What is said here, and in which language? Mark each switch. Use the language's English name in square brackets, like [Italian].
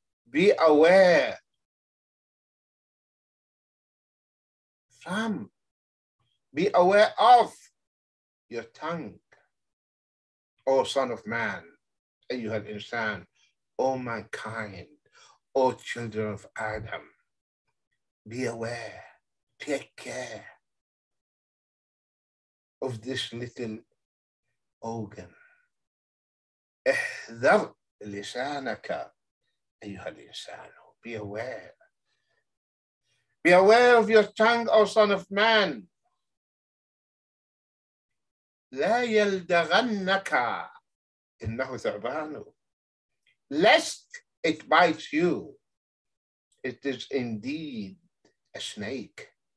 [English] Be aware from, be aware of your tongue, O son of man, [Arabic] أيها الإنسان, [English] O mankind, O children of Adam. Be aware, take care of this little organ. [Arabic] احذر لسانك أيها الإنسان. [English] Be aware. Be aware of your tongue, O son of man. [Arabic] لا يلدغنك إنه ثعبان. [English] Lest it bites you. It is indeed a snake.